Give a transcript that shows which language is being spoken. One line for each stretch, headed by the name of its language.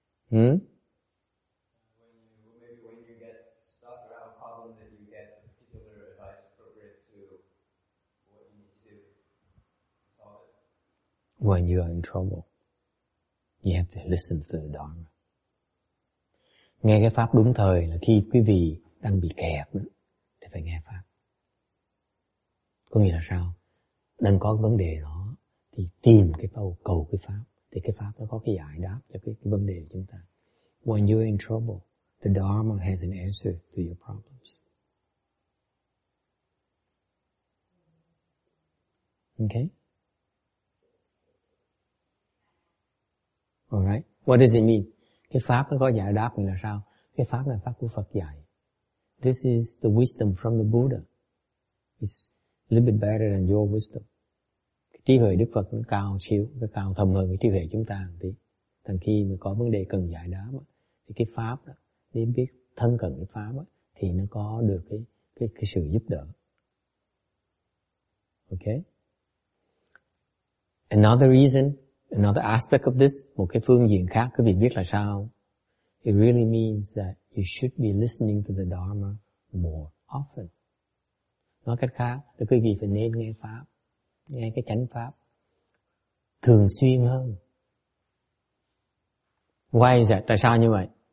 English: When you, maybe when you get stuck around a problem, then you get a particular advice appropriate to what you need to do to solve it. When you are in trouble, you have to listen to the Dharma.
Vietnamese: Nghe cái pháp đúng thời là khi quý vị đang bị kẹt đó, thì phải nghe pháp. Có nghĩa là sao? Đang có vấn đề đó thì tìm cái pháp, cầu cái pháp, thì cái pháp nó có cái giải đáp cho cái vấn đề của chúng ta.
English: When you're in trouble, the Dharma has an answer to your problems. Okay? Alright, what does it mean?
Vietnamese: Cái pháp nó có giải đáp mình là sao? Cái pháp là pháp của Phật dạy.
English: This is the wisdom from the Buddha. It's a little bit better than your wisdom.
Vietnamese: Cái trí huệ Đức Phật nó cao xíu, nó cao thầm hơn cái trí huệ chúng ta một tí. Thành khi mà có vấn đề cần giải đáp thì cái pháp đó, nếu biết thân cận cái pháp đó, thì nó có được cái sự giúp đỡ. Okay?
English: Another reason, another aspect of this,
Vietnamese: một cái phương diện khác, quý vị biết là sao?
English: It really means that you should be listening to the Dharma more often.
Vietnamese: Nói cách khác, thì quý vị phải nên nghe pháp, nghe cái chánh pháp thường xuyên hơn.
English: Why is that?
Vietnamese: Tại sao như vậy?